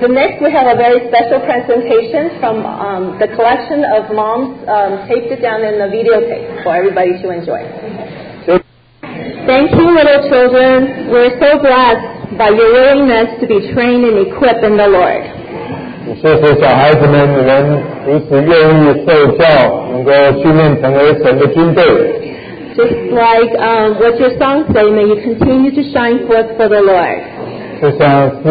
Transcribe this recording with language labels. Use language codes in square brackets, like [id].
[en] The next, we have a very special presentation from the collection of moms, taped it down in the videotape for everybody to enjoy. Thank you, little children. We're so glad by your willingness to be trained and equipped in the Lord. [zh] 谢谢小孩子们，你们如此愿意受教，能够训练成为神的军队。 [en] Just like what your song say, may you continue to shine forth for the Lord.